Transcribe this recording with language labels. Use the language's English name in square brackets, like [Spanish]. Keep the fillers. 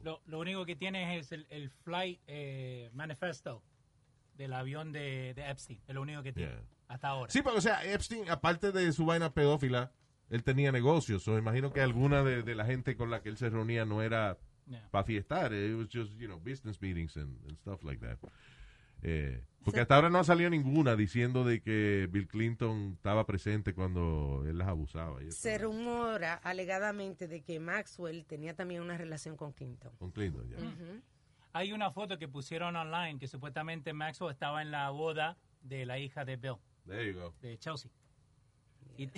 [Spanish] Lo, lo, único que tiene es el, el flight eh, manifesto del avión de, de Epstein. Es lo único que tiene yeah. hasta ahora. Sí, pero o sea, Epstein, aparte de su vaina pedófila, él tenía negocios. O imagino que alguna de, de la gente con la que él se reunía no era yeah. para fiestar. [English] Era just, you know, business meetings and, and stuff like that. [Spanish] Eh, porque hasta Se, ahora no ha salido ninguna diciendo de que Bill Clinton estaba presente cuando él las abusaba. Se rumora alegadamente de que Maxwell tenía también una relación con Clinton. Con Clinton, yeah. mm -hmm. Hay una foto que pusieron online que supuestamente Maxwell estaba en la boda de la hija de Bill. [English] There you go. [Spanish] De Chelsea. Yeah.